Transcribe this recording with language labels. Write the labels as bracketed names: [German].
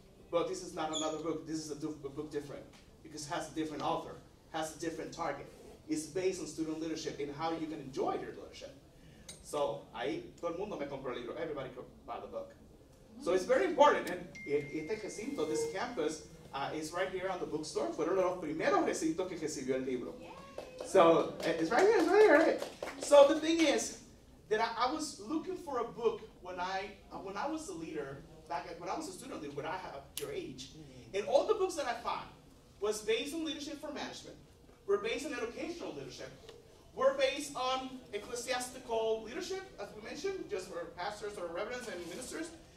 [English] But this is not another book, this is a book different. Because it has a different author, has a different target. It's based on student leadership and how you can enjoy your leadership. So, [Spanish] todo el mundo me compró el libro, [English] everybody could buy the book. So it's very important, and [Spanish] este recinto, [English] this campus, is right here on the bookstore. [Spanish] Fueron los primeros recintos que recibió el libro. [English] So, it's right here. So the thing is that I was looking for a book when I was a leader, when I was a student leader, when I have your age, and all the books that I found was based on leadership for management, were based on educational leadership, were based on ecclesiastical leadership, as we mentioned, just for pastors or reverends and ministers.